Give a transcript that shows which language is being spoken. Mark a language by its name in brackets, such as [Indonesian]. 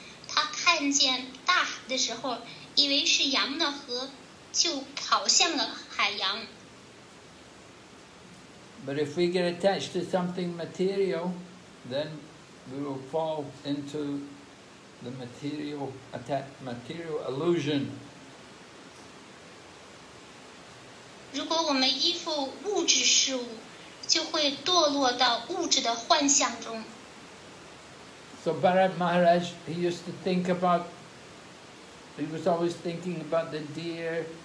[Chinese] 他看见大海的时候，以为是羊的河，就跑向了海洋。 [English] But if we get attached to something material, then we will fall into the material illusion. [Chinese] 如果我们依附物质事物，就会堕落到物质的幻象中。 [English] So Bharat Maharaj, he was always thinking about the deer.